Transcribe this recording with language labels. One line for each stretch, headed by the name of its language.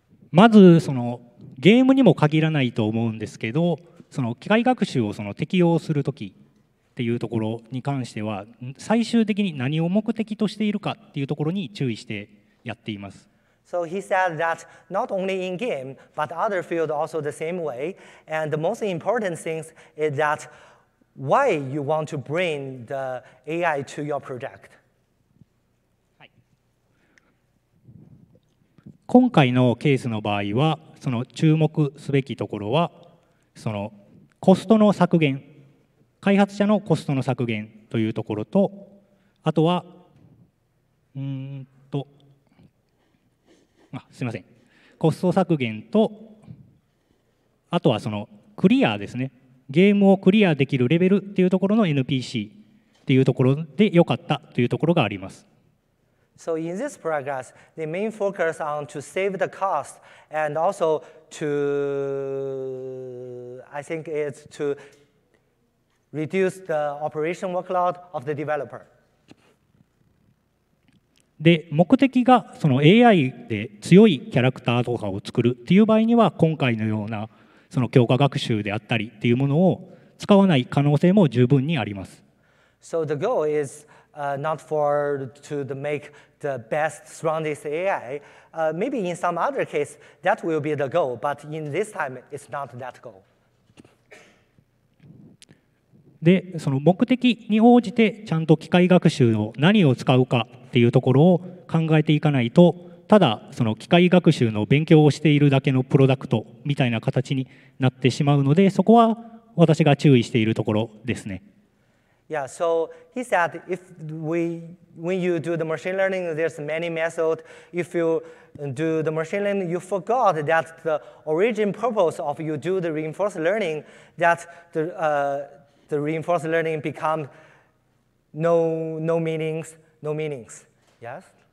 Japanese: まずそのゲームにも限らないと思うんですけど、その機械学習をその適用するときっていうところに関しては、最終的に何を目的としているかっていうところに注意してやっています。
English: So he said that not only in game, but other field also the same way. And the most important thing is that why you want to bring the AI to your project.
Japanese: 今回のケースの場合は、その注目すべきところは、そのコストの削減、開発者のコストの削減というところと、あとは、すみません、コスト削減と、あとはそのクリアですね、ゲームをクリアできるレベルっていうところの NPC っていうところで良かったというところがあります。
English: So in this progress, the main focus on to save the cost and also to, I think it's to reduce the operation workload of the developer.
Japanese: で、目的がその AI で強いキャラクターとかを作るっていう場合には、今回のようなその強化学習であったりっていうものを使わない可能性も十分にあります。
English: So the goal is not for to the make the best strongest AI. Maybe in some other case, that will be the goal, but in this time, it's not that goal.
Japanese: で、その目的に応じて、ちゃんと機械学習の何を使うかっていうところを考えていかないと、ただその機械学習の勉強をしているだけのプロダクトみたいな形になってしまうので、そこは私が注意しているところですね。
English: Yeah, so he said if when you do the machine learning, there's many methods. If you do the machine learning, you forgot that the origin purpose of you do the reinforced learning, that the reinforced learning becomes no meanings. Yes?